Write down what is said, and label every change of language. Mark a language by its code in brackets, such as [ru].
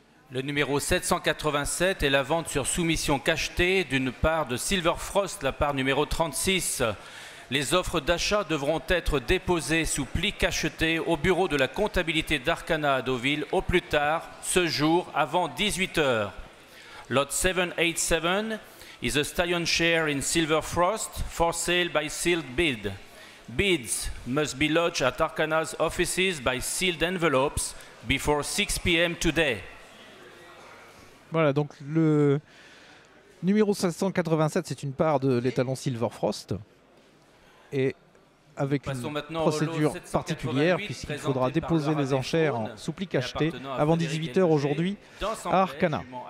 [fr] Le numéro 787 est la vente sur soumission cachetée d'une part de Silver Frost, la part numéro 36. Les offres d'achat devront être déposées sous pli cacheté au bureau de la comptabilité d'Arcana à Deauville au plus tard, ce jour, avant 18 heures. [en] Lot 787 is a stallion share in Silver Frost for sale by sealed bid. Bids must be lodged at Arcana's offices by sealed envelopes before 6 p.m. today. [fr] Voilà, donc le numéro 787, c'est une part de l'étalon Silver Frost. Et avec une procédure particulière, puisqu'il faudra déposer les enchères en souplique achetée avant 18h aujourd'hui à Arcana.